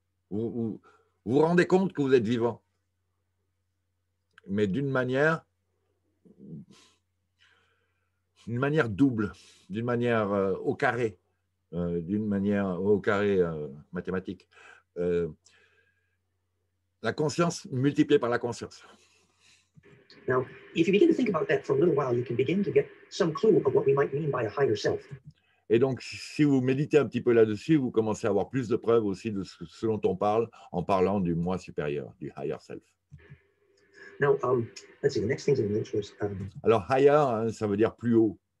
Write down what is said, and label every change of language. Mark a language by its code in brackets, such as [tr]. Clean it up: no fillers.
[fr] Vous vous rendez compte que vous êtes vivant, mais d'une manière double, d'une manière au carré, d'une manière au carré mathématique. La conscience multipliée par la conscience. [en] Now, if you begin to think about that for a little while, you can begin to get some clue of what we might mean by a higher self. [fr] Et donc, si vous méditez un petit peu là-dessus, vous commencez à avoir plus de preuves aussi de ce dont on parle en parlant du moi supérieur, du higher self. [en] Now, let's see, the next thing in the notes was, [fr] Alors, higher, hein, ça veut dire plus haut.